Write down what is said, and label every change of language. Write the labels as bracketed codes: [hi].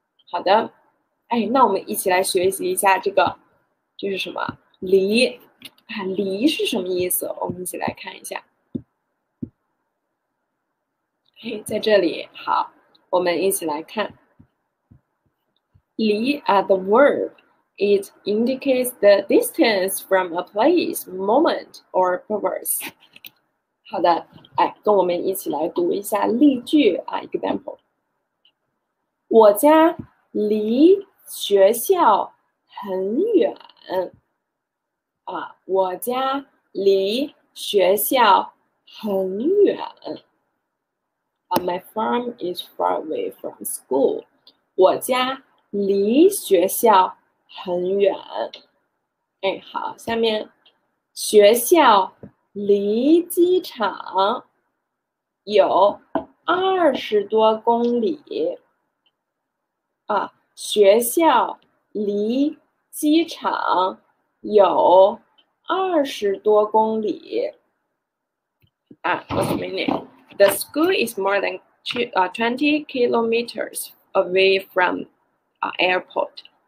[zh] 好的，哎，那我们一起来学习一下这个，这是什么？离啊，离是什么意思？我们一起来看一下。嘿，在这里，好，我们一起来看。离啊， [en] the verb。 It indicates the distance from a place, moment, or purpose. [zh] 好的，哎，跟我们一起来读一下例句啊，example。我家离学校很远啊，我家离学校很远啊。 [en] My farm is far away from school. [zh] 我家离学校。很远，哎，好，下面学校离机场有20多公里啊，学校离机场有20多公里啊。 [en] What's the meaning? The school is more than 20 kilometers away from airport.